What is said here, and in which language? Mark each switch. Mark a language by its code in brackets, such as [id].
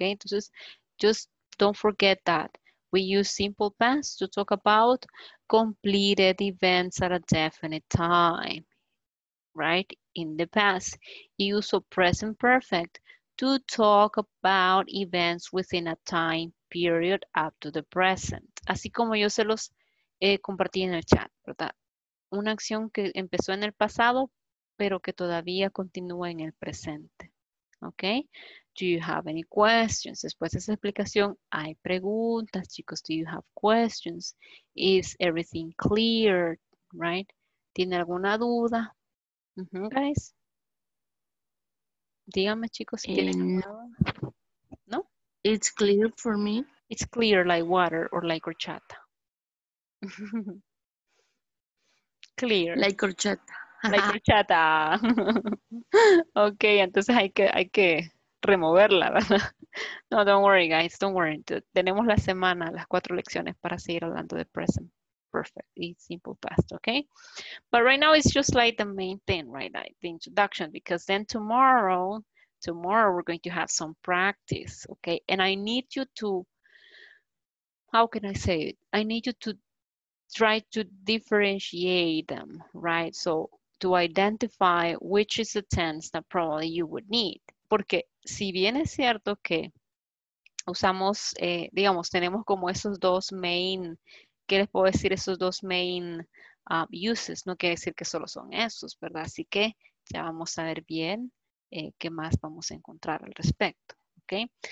[en] Entonces, just don't forget that. We use simple past to talk about completed events at a definite time, right? In the past, [es] y uso [en] present perfect to talk about events within a time period up to the present. [es] Así como yo se los compartí en el chat, ¿verdad? Una acción que empezó en el pasado, pero que todavía continúa en el presente. [en] Okay, do you have any questions? [es] Después de esa explicación, hay preguntas, chicos. [en] Do you have questions? Is everything clear, right? [es] ¿Tiene alguna duda? Mm-hmm, guys. Díganme, chicos, si tienen alguna duda. ¿No? [en] It's clear for me. It's clear like water or like horchata. Clear. Like horchata. [es] La chata. Ok, entonces hay que removerla, ¿verdad? [en] No, don't worry, guys, don't worry. [es] Tenemos la semana, las 4 lecciones para seguir hablando de present perfect y simple past, ok? [en] But right now it's just like the main thing, right? Like the introduction, because then tomorrow we're going to have some practice, ok? And I need you to, how can I say it? I need you to try to differentiate them, right? So to identify which is the tense that probably you would need. [es] Porque si bien es cierto que usamos, digamos, tenemos como esos dos main, ¿qué les puedo decir? Esos dos main uses, no quiere decir que solo son esos, ¿verdad? Así que ya vamos a ver bien qué más vamos a encontrar al respecto, ¿ok?